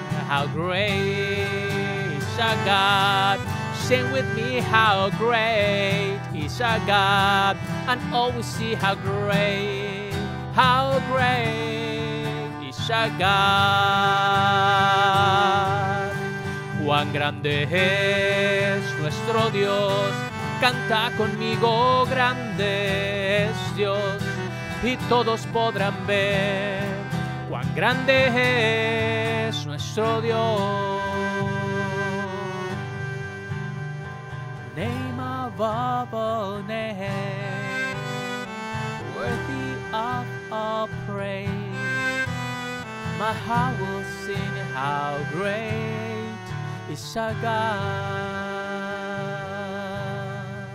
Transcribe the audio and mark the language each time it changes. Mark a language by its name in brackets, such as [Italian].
[English] How great is our God, sing with me, how great is our God, and always see how great is our God. [Spanish] Cuán grande es nuestro Dios, canta conmigo, grande es Dios, y todos podrán ver cuán grande es nuestro Dios. [English] Name above all names, worthy of all praise, my heart will sing how great is our God.